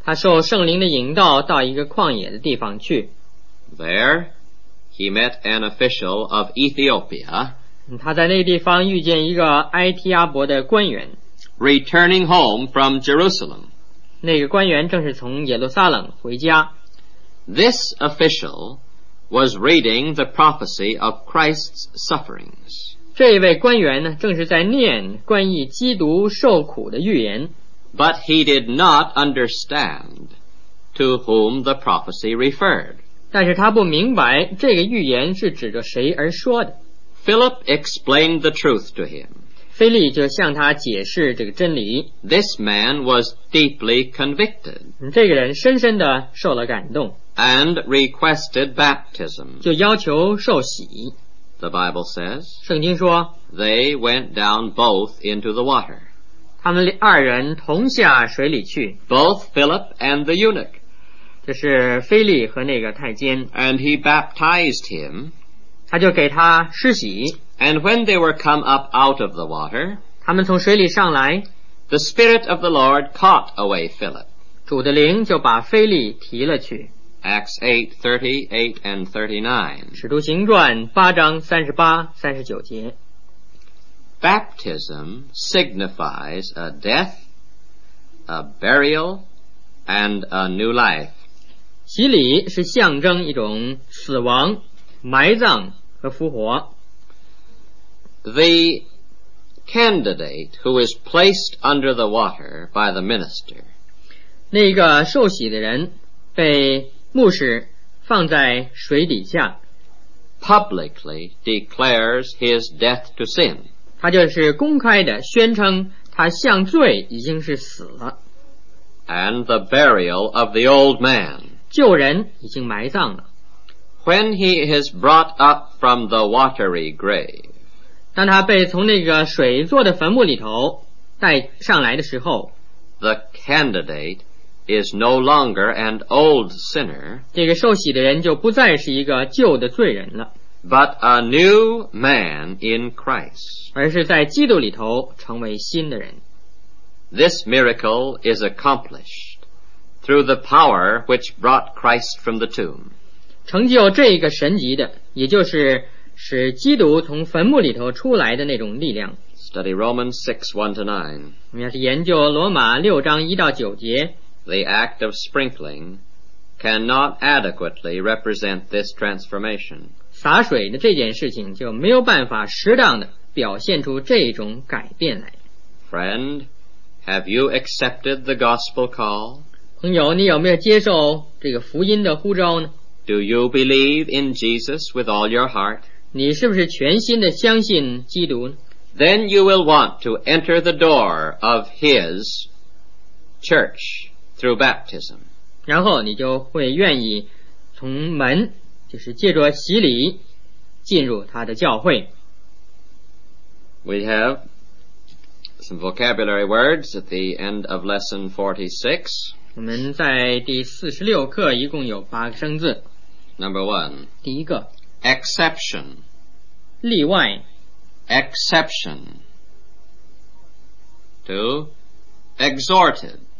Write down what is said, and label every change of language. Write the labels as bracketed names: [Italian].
[Chinese] 他受圣灵的引导到一个旷野的地方去。 [English] There, he met an official of Ethiopia. [Chinese] 他在那地方遇见一个埃提阿伯的官员。 [English] Returning home from Jerusalem. [Chinese] 那个官员正是从耶路撒冷回家。 [English] This official was reading the prophecy of Christ's sufferings. [Chinese] 这位官员呢，正是在念关于基督受苦的预言。 [English] But he did not understand to whom the prophecy referred. [Chinese] 但是他不明白这个预言是指着谁而说的。 [English] Philip explained the truth to him. [Chinese] 腓力就向他解释这个真理。 [English] This man was deeply convicted. [Chinese] 这个人深深地受了感动。 [English] And requested baptism. [Chinese] 就要求受洗。 [English] The Bible says, [Chinese] 圣经说, [English] they went down both into the water. [Chinese] 他们二人同下水里去。 [English] Both Philip and the eunuch. [Chinese] 这是腓力和那个太监。 [English] And he baptized him. [Chinese] 他就给他施洗。 [English] And when they were come up out of the water, [Chinese] 他们从水里上来, [English] the Spirit of the Lord caught away Philip. [Chinese] 主的灵就把腓力提了去。 [English] Acts 8:38-39. [Chinese] 使徒行传8:38-39. [English] Baptism signifies a death, a burial, and a new life. [Chinese] 洗礼是象征一种死亡、埋葬和复活。 [English] The candidate who is placed under the water by the minister. [Chinese] 那个受洗的人被牧师放在水底下。 [English] Publicly declares his death to sin. [Chinese] 他就是公开的宣称他向罪已经是死了。 [English] And the burial of the old man. [Chinese] 旧人已经埋葬了。 [English] When he is brought up from the watery grave. [Chinese] 当他被从那个水做的坟墓里头带上来的时候， [English] The candidate is no longer an old sinner. [Chinese] 这个受洗的人就不再是一个旧的罪人了， [English] But a new man in Christ. [Chinese] 而是在基督里头成为新的人。 [English] This miracle is accomplished through the power which brought Christ from the tomb. [Chinese] 成就这个神迹的，也就是使基督从坟墓里头出来的那种力量。 [English] Study Romans 6:1-9. [Chinese] 我们要是研究罗马6:1-9. [English] The act of sprinkling cannot adequately represent this transformation. [Chinese] 洒水的这件事情就没有办法适当的表现出这种改变来。 [English] Friend, have you accepted the gospel call? [Chinese] 朋友，你有没有接受这个福音的呼召呢？ [English] Do you believe in Jesus with all your heart? [Chinese] 你是不是全心地相信基督呢？ [English] then you will want to enter the door of his church through baptism. [Chinese] 然后你就会愿意从门，就是借着洗礼进入他的教会。 [English] We have some vocabulary words at the end of lesson 46. [Chinese] 我们在第46课一共有八个生字。 [English] Number one. [Chinese] 第一个。 [English] Exception. [Chinese] 例外。 [English] Exception. Two. Exhorted.